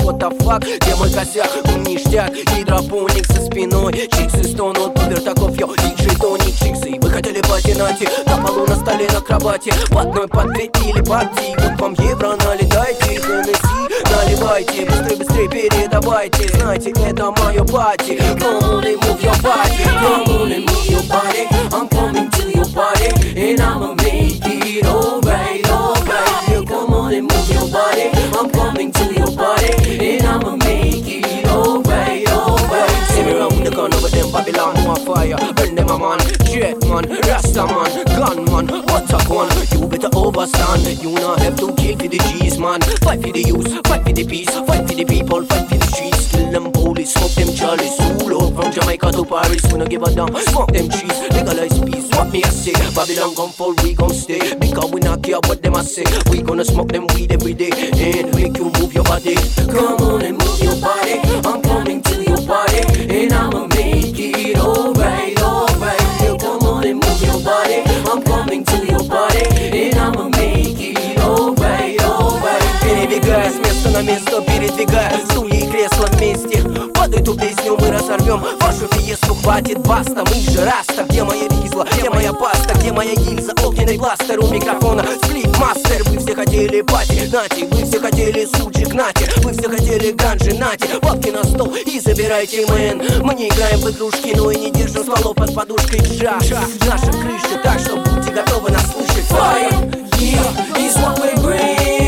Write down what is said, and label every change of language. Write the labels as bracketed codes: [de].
[en] What the fuck? [ru] Где мой косяк? Он ништяк. Гидропоник со спиной. Чиксы стонут, пупер таков. Йо, диджей Тони, чиксы. Вы хотели пати найти? На полу, на столе, на кровати. В одной, по две или по три. Вот вам евро налетайте. Хеннесси наливайте. Быстрее, быстрее передавайте. Знаете, это мое пати. [en] Come on and move your body. Come on and move your body. I'm coming to your party. And I'ma make it alright, alright. Yo, come on and move your body. I'm coming to your party. And I'ma make it alright, alright. See me round the corner with them Babylon. My fire, burn them a man. Jet man, Rasta man, gunman, attack one. You better overstand. You not have to kill for the G's, man. Fight for the youth, fight for the peace. Fight for the people, fight for the streets. Kill them police, smoke them chalice. Rule up from Jamaica to Paris. We not give a damn, smoke them trees. Legalize peace. Me I say, Babylon gon' fall, we gon' stay. Because we not care what them I say. We gonna smoke them weed every day. And make you move your body. Come on and move your body. I'm coming to your party. And I'ma make it alright, alright. Yeah, come on and move your body. I'm coming to your party. And I'ma make it alright, alright. [ru] Перебегая с места на место. Передвигая стулья и кресла вместе. Под эту песню мы разорвем вашу пьесу, хватит, баста. Мы же раста, где мои рисы. Где моя паста, где моя гильза, огненный бластер у микрофона, сплит-мастер. Вы все хотели пати, нати, вы все хотели сучек, нати. Вы все хотели ганджи, нати, бабки на стол и забирайте, мэн. Мы не играем в игрушки, но и не держим стволов под подушкой. Джа, наша крыша, так что будьте готовы нас слушать. [en] Fire, yeah, is what we bring.